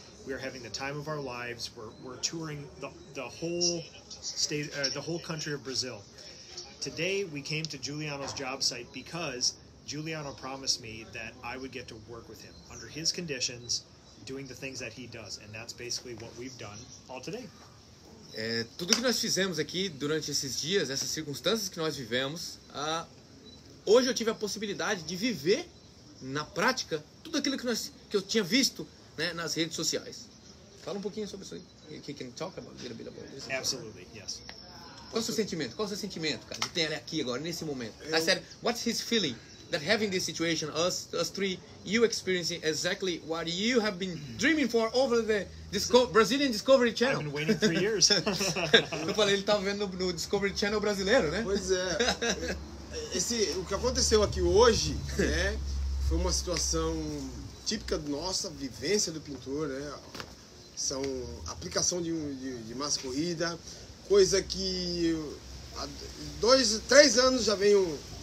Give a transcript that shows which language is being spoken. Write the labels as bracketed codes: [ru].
[en] We are having the time of our lives. We're touring the whole state, the whole country of Brazil. Today we came to Giuliano's job site because Giuliano promised me that I would get to work with him under his conditions, doing the things that he does, and that's basically what we've done all today. [pt] É, tudo que nós fizemos aqui durante esses dias, essas circunstâncias que nós vivemos, hoje eu tive a possibilidade de viver na prática tudo aquilo que eu tinha visto. Né, nas redes sociais. Fala um pouquinho sobre isso aí. [en] Que can talk about a little bit about this. Absolutely, yes. [pt] Qual o seu sentimento? Qual o seu sentimento, cara? De ter ele aqui agora, nesse momento. [en] I said, what's his feeling that having this situation, us three, you experiencing exactly what you have been dreaming for over the Brazilian Discovery Channel? I've been waiting 3 years. [pt] Eu falei, ele tava vendo no Discovery Channel brasileiro, né? Pois é. O que aconteceu aqui hoje, né, foi uma situação típica da nossa vivência do pintor, né? São aplicação de massa corrida, coisa que há 2, 3 anos já venho